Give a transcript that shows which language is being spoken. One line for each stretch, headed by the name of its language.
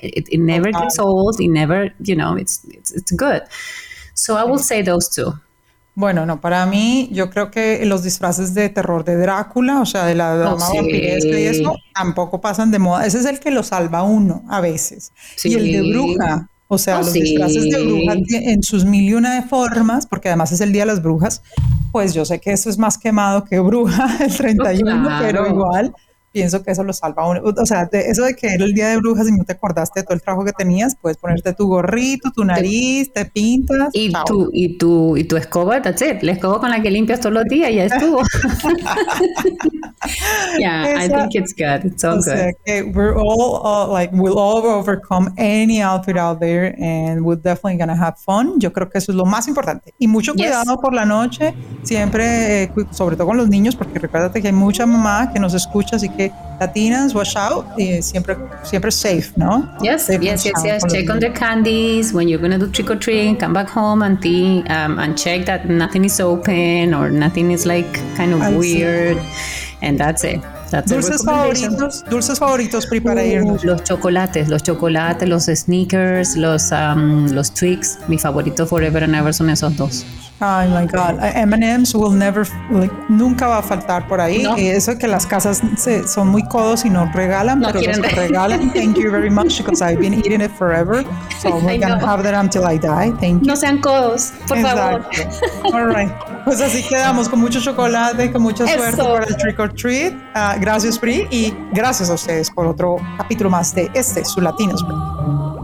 English: It never gets old. It never, you know, it's good. So I will say those two.
Spanish: Bueno, no, para mí, yo creo que los disfraces de terror de Drácula, o sea, de la dama vampiresca y eso, tampoco pasan de moda. Ese es el que lo salva uno a veces. Sí. Y el de bruja, o sea, los disfraces de bruja en sus mil y una de formas, porque además es el Día de las Brujas, pues yo sé que eso es más quemado que bruja el 31, pero igual pienso que eso lo salva uno. O sea, eso de que era el Día de Brujas y no te acordaste de todo el trabajo que tenías, puedes ponerte tu gorrito, tu nariz, te pintas. Y chao. Tu escoba,
English: that's it.
Spanish: La escoba con la que limpias todos los días, ya estuvo.
English: Yeah,
Spanish: esa,
English: I think it's good. It's all good. We're all we'll all overcome any outfit out there and we're definitely gonna have fun.
Spanish: Yo creo que eso es lo más importante. Y mucho cuidado por la noche, siempre, sobre todo con los niños, porque recuérdate que hay mucha mamá que nos escucha. Así que latinas,
English: watch out,
Spanish: siempre, siempre safe, ¿no?
English: Yes. Check on the candies when you're gonna do trick or treat. Come back home and and check that nothing is open or nothing is like kind of weird. And that's it.
Spanish: Dulces favoritos, Pri, para irnos. Los chocolates, los sneakers, los Twix. Mi favorito
English: forever and ever
Spanish: son esos dos.
English: Oh my God.
Spanish: M&M's
English: will never,
Spanish: nunca va a faltar por ahí. No. Eso que las casas son muy codos y no regalan, no, pero los que regalan,
English: thank you very much, because I've been eating it forever. So we're going to have that until I die. Thank you.
Spanish: No sean codos, por favor.
English: All right.
Spanish: Pues así quedamos, con mucho chocolate y con mucha suerte para el trick or treat. Gracias, Pri, y gracias a ustedes por otro capítulo más de este, su Latino Spring.